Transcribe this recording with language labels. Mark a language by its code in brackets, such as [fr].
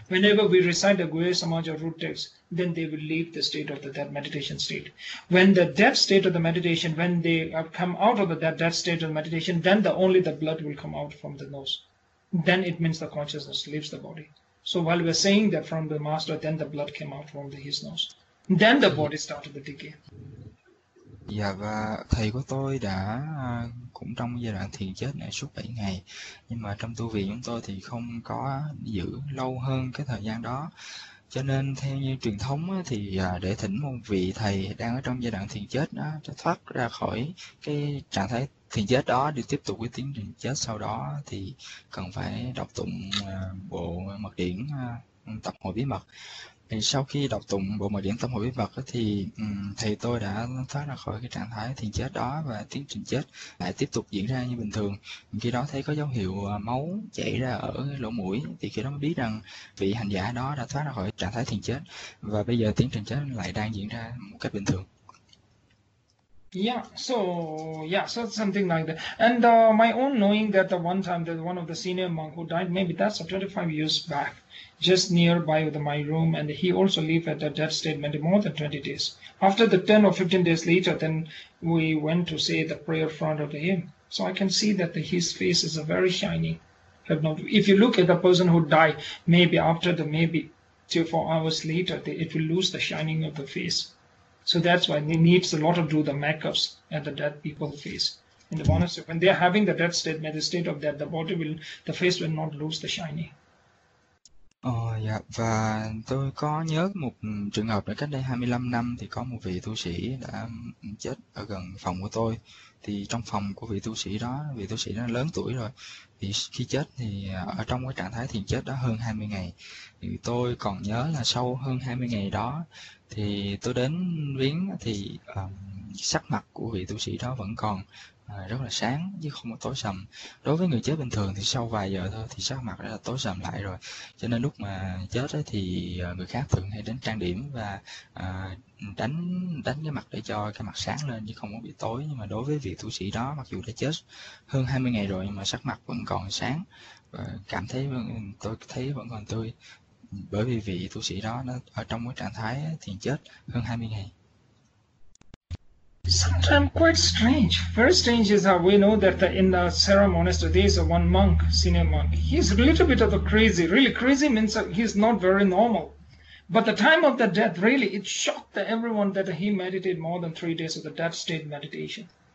[en] Whenever we recite the Guhya Samaja root text, then they will leave the state of the death meditation state. When the death state of the meditation, when they have come out of the death state of the meditation, then only the blood will come out from the nose. Then it means the consciousness leaves the body. So while we're saying that from the master, then the blood came out from his nose. Then the body started the decay. [vi] Dạ, và thầy của tôi đã cũng trong giai đoạn thiền chết này suốt 7 ngày. Nhưng mà trong tu viện chúng tôi thì không có giữ lâu hơn cái thời gian đó. Cho nên theo như truyền thống thì để thỉnh một vị thầy đang ở trong giai đoạn thiền chết đó, cho thoát ra khỏi cái trạng thái thiền chết đó để tiếp tục cái tiến trình chết sau đó, thì cần phải đọc tụng bộ mật điển tập hội bí mật. Thì sau khi đọc tụng bộ mật điển tâm hội bí mật thì thầy tôi đã thoát ra khỏi cái trạng thái thiền chết đó và tiến trình chết lại tiếp tục diễn ra như bình thường. Khi đó thấy có dấu hiệu máu chảy ra ở lỗ mũi, thì khi đó mới biết rằng vị hành giả đó đã thoát ra khỏi trạng thái thiền chết và bây giờ tiến trình chết lại đang diễn ra một cách bình thường. [en] Yeah, so yeah, so something like that. And my own knowing that one time there's one of the senior monk who died, maybe that's 25 years back, just nearby with my room, and he also lived at a death state more than 20 days. After the 10 or 15 days later, then we went to say the prayer front of him. So I can see that his face is a very shiny. If you look at the person who died, maybe after the 2 or 4 hours later, it will lose the shining of the face. So that's why they need a lot of do the makeups at the dead people face. In the monastery, when they're having the death state, the state of death, the face will not lose the shiny. [vi] Ờ dạ, và tôi có nhớ một trường hợp là cách đây 25 năm thì có một vị tu sĩ đã chết ở gần phòng của tôi. Thì trong phòng của vị tu sĩ đó lớn tuổi rồi. Thì khi chết thì ở trong cái trạng thái thiền chết đó hơn 20 ngày. Thì tôi còn nhớ là sau hơn 20 ngày đó thì tôi đến viếng thì sắc mặt của vị tu sĩ đó vẫn còn rất là sáng chứ không có tối sầm. Đối với người chết bình thường thì sau vài giờ thôi thì sắc mặt đã là tối sầm lại rồi. Cho nên lúc mà chết ấy, thì người khác thường hay đến trang điểm và đánh cái mặt để cho cái mặt sáng lên chứ không có bị tối. Nhưng mà đối với vị tu sĩ đó, mặc dù đã chết hơn 20 ngày rồi nhưng mà sắc mặt vẫn còn sáng và cảm thấy tôi thấy vẫn còn tươi, bởi vì vị tu sĩ đó nó ở trong cái trạng thái thiền chết hơn 20 ngày. [en] Sometimes quite strange. Very strange is how we know that in the Sarah monastery, there is one monk, senior monk. He's a little bit of a crazy. Really crazy means he's not very normal. But the time of the death, really, it shocked everyone that he meditated more than 3 days of the death state meditation.